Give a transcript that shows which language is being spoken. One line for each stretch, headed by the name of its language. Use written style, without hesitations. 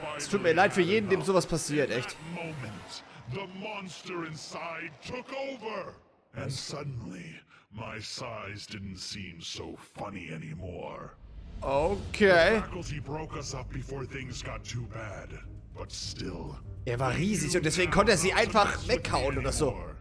German: Es tut mir leid für jeden, dem sowas passiert, echt.
English: The monster inside took over! And suddenly, my size didn't seem so funny anymore. Okay. The faculty broke us up before things got too bad. But still,
German: Er war riesig und deswegen konnte er sie einfach weghauen oder so.